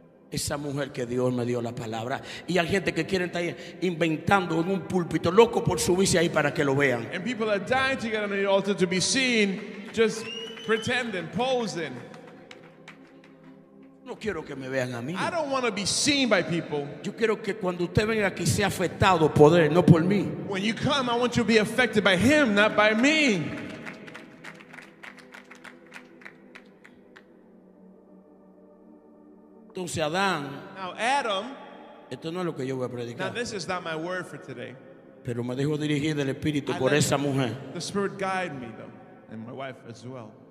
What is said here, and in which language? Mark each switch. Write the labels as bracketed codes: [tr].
[es] Esa mujer que Dios me dio la palabra. Y hay gente que quiere estar inventando en un púlpito, loco por subirse ahí para que lo vean. [en] And people are dying to get on the altar to be seen, just pretending, posing. [es] No quiero que me vean a mí. [en] I don't want to be seen by people. [es] Yo quiero que cuando usted venga aquí sea afectado por él, no por mí. [en] When you come, I want you to be affected by him, not by me. [es] Entonces Adán. [en] Now Adam. [es] Esto no es lo que yo voy a predicar. [en] Now this is not my word for today. [es] Pero me dejó dirigir del Espíritu por esa mujer. [en] The Spirit guided me though, and my wife as well.